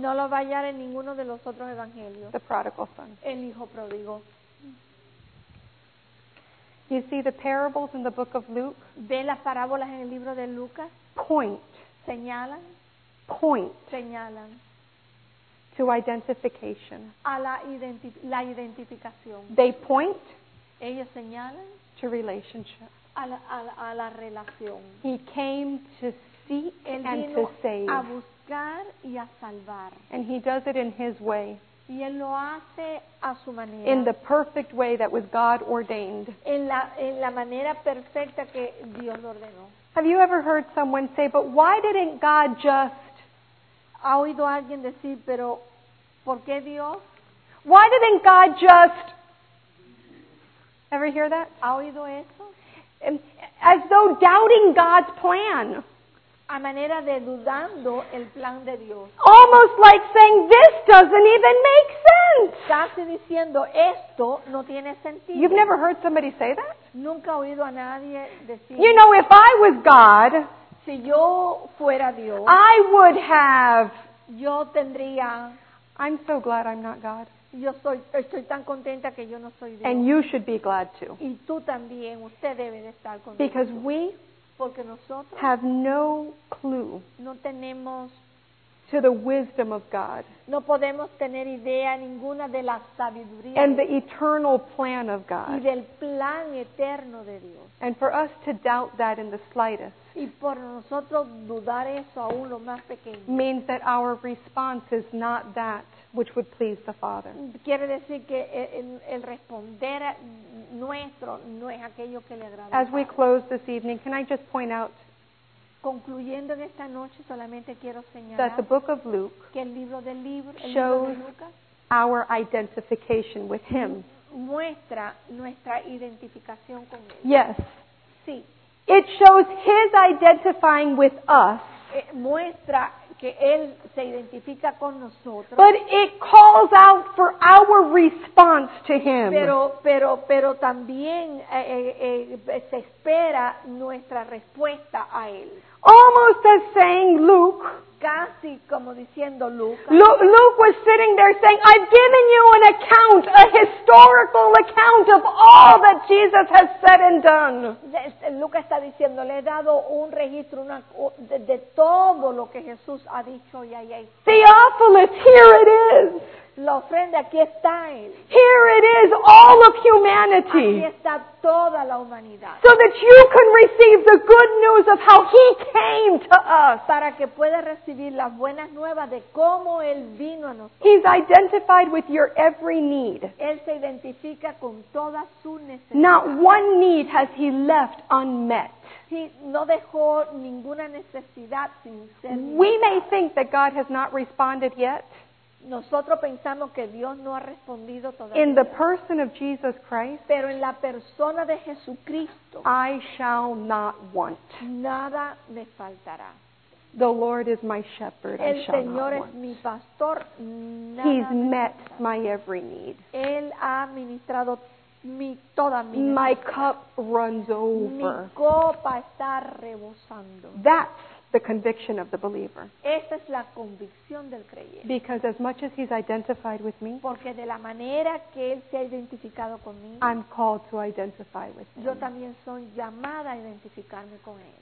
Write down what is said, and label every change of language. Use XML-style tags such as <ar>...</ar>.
<es>No lo va a hallar en ninguno de los otros evangelios.</es> <en>The prodigal son.</en> <es>El hijo pródigo.</es> <en>You see the parables in the book of Luke?</en> <es>¿Ve las parábolas en el libro de Lucas?</es> <en>Point.</en> <es>Señalan.</es> <en>Point.</en> <es>Señalan.</es> <en>To identification.</en> <es>A la identificación.</es> <en>They point.</en> <es>Ellos señalan.</es> <en>To relationship.</en> <es>A la relación.</es> <en>He came to seek</en> <es>él</es> <en>and</en> <es>vino</es> <en>to save.</en> <es>A buscar y a salvar.</es> <en>And he does it in his way.</en> <es>Y él lo hace a su manera.</es> <en>In the perfect way that was God ordained.</en> <es>En la manera perfecta que Dios lo ordenó.</es> <en>Have you ever heard someone say, but why didn't God just?</en> <es>¿Ha oído alguien decir, pero por qué Dios?</es> <en>Why didn't God just? Ever hear that?</en> <es>¿Ha oído eso?</es> <en>As though doubting God's plan.</en> <es>A manera de dudando el plan de Dios.</es> <en>Almost like saying, this doesn't even make sense.</en> <es>Casi diciendo, esto no tiene sentido.</es> <en>You've never heard somebody say that?</en> <es>Nunca he oído a nadie decir.</es> <en>You know, if I was God,</en> <es>si yo fuera Dios,</es> <en>I would have.</en> <es>Yo tendría.</es> <en>I'm so glad I'm not God.</en> <es>Yo estoy tan contenta que yo no soy Dios.</es> <en>And you should be glad too.</en> <es>Y tú también, usted debe de estar contenta.</es> <en>Because we have no clue</en> <es>no tenemos</es> <en>to the wisdom of God.</en> <es>No podemos tener idea ninguna de la sabiduría</es> <en>and the eternal plan of God.</en> <es>Y del plan eterno de Dios.</es> <en>And for us to doubt that in the slightest</en> <es>y por nosotros dudar eso aún lo más pequeño</es> <en>means that our response is not that which would please the Father.</en> <es>Quiere decir que el responder nuestro no es aquello que le agrada.</es> <en>As we close this evening, can I just point out</en> <es>concluyendo en esta noche solamente quiero señalar</es> <en>that the book of Luke</en> <es>que el libro</es> <en>shows</en> <es>de Lucas</es> <en>our identification with him.</en> <es>Muestra nuestra identificación con él.</es> <en>Yes.</en> <es>Sí.</es> <en>It shows his identifying with us.</en> <es>Muestra que él se identifica con nosotros.</es> <en>But it calls out for our response to him.</en> <es>Pero también se espera nuestra respuesta a él.</es> <en>Almost as saying Luke.</en> <es>Casi como diciendo Luke.</es> <en>Luke was sitting there saying, I've given you an account, a historical account of all that Jesus has said and done.</en> <es>Luke está diciendo, le he dado un registro de todo lo que Jesús ha dicho y ahí hay.</es> <en>Theophilus, here it is.</en> <es>La ofrenda, aquí está él.</es> <en>Here it is, all of humanity.</en> <es>Aquí está toda la humanidad.</es> <en>So that you can receive the good news of how he came to us.</en> <es>Para que puedas recibir las buenas nuevas de cómo él vino a nosotros.</es> <en>He's identified with your every need.</en> <es>Él se identifica con toda su necesidad.</es> <en>Not one need has he left unmet.</en> <es>He no dejó ninguna necesidad sin ser.</es> <en>We may think that God has not responded yet.</en> <es>Nosotros pensamos que Dios no ha respondido todavía.</es> <en>In the person of Jesus Christ,</en> <es>pero en la persona de Jesucristo,</es> <en>I shall not want.</en> <es>Nada me faltará.</es> <en>The Lord is my shepherd,</en> <es>el</es> <en>I shall</en> <es>Señor</es> <en>not</en> <es>es</es> <en>want.</en> <es>Mi pastor, nada</es> <en>He's</en> <es>me</es> <en>met</en> <es>faltará.</es> <en>My every need.</en> <es>Él ha ministrado toda mi necesidad.</es> <en>My cup runs over.</en> <es>Mi copa está rebosando.</es> <en>That's the conviction of the believer.</en> <es>Esa es la convicción del creyente.</es> <en>Because as much as he's identified with me,</en> <es>porque de la manera que él se ha identificado conmigo,</es> <en>I'm called to identify with him.</en> <es>Yo también soy llamada a identificarme con él.</es>